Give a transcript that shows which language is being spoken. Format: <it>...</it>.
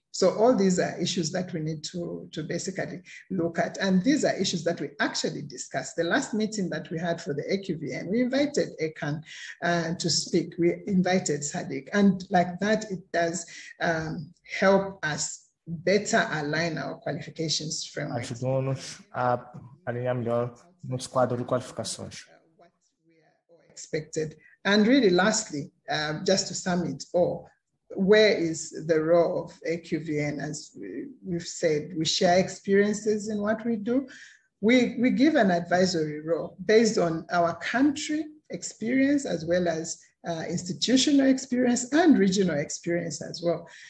<en>So all these are issues that we need to basically look at. And these are issues that we actually discussed. The last meeting that we had for the AQVN, we invited ECAN to speak. We invited SADC. And like that, it does help us better align our qualifications framework.</en> <pt>Ajudou-nos a alinhar melhor nos quadros de qualificações.</pt> <en>What we are expected. And really, lastly, just to sum it all, where is the role of AQVN? As we've said, we share experiences in what we do. We give an advisory role based on our country experience as well as institutional experience and regional experience as well.</en>